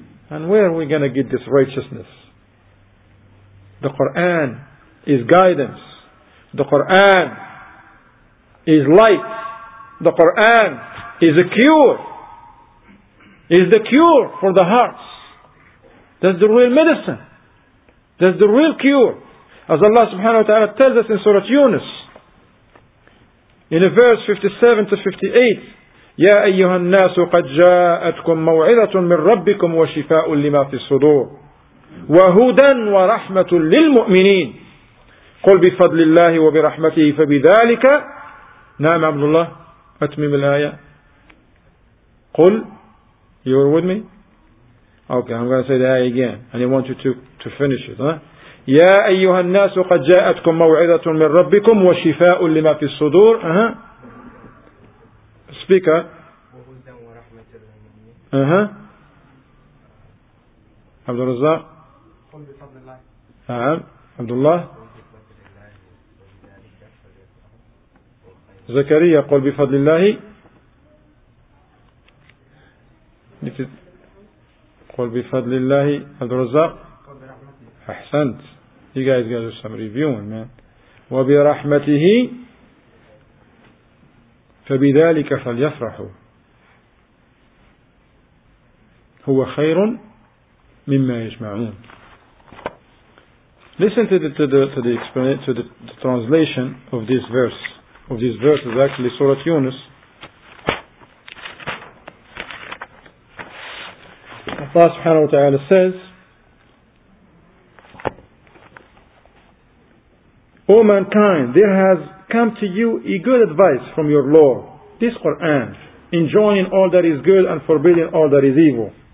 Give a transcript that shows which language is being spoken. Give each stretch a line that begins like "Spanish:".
English: And where are we going to get this righteousness? The Quran is guidance. The Quran is light. The Quran is a cure. Is the cure for the hearts. That's the real medicine. That's the real cure. As Allah subhanahu wa ta'ala tells us in Surah Yunus, in verse 57-58,
Arabic: يَا أَيُّهَا النَّاسُ قَدْ جَاءَتْكُمْ مَوْعِظَةٌ مِّنْ رَبِّكُمْ وَشِفَاءٌ لِمَا فِي الصُّدُورِ وَهُدًى وَرَحْمَةٌ لِلْمُؤْمِنِينَ قُلْ بِفَضْلِ اللَّهِ وَبِرَحْمَتِهِ فَبِذَلِكَ نَعْمَ عَبْدُ اللَّهِ أَتْمِمِ الْآيَةِ قُلْ.
English: You're with me? Okay, I'm going to say the ayah again. And I want you to finish it.
Arabic: يَا أَيُّهَا النَّاسُ قَدْ جَاءَتْكُمْ مَوْعِدَةٌ مِّنْ رَبِّكُمْ وَشِفَاءٌ لِمَا فِي الصُّدُورِ. Speaker. وَهُدًا وَرَحْمَةٌ لِلْمُؤْمِنِينَ. عبد الرزاق. قل بفضل الله. عبد الله. زكريا قل بفضل الله. قل بفضل الله عبد الرزاق. أحسنت.
English: You guys got to do some reviewing, man.
Arabic: وبرحمته فبذلك فليفرحوا هو خير مما يجمعون.
English: Listen to the translation of this verse. Of this verse is actually Surah Yunus. Allah subhanahu wa ta'ala says, O mankind, there has come to you a good advice from your Lord, this Quran, enjoining all that is good and forbidding all that is evil.